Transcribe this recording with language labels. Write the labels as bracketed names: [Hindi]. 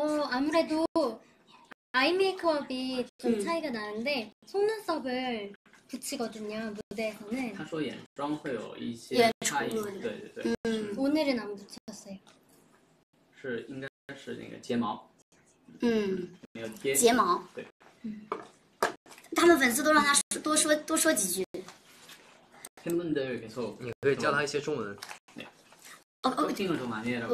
[Korean] 아무래도아이메이크업이좀차이가나는데속눈썹을붙이거든요무대에서는 [Chinese] 他说眼妆会有一些差异对对对 [Korean] 오늘은안붙였어요 [Chinese] 是应该是那个睫毛嗯没有贴睫毛对他们粉丝都让他多说几句 [Korean] 팬분들계속 [Chinese] 你可以教他一些中文。 [Korean] 네쇼핑을좀많이해라고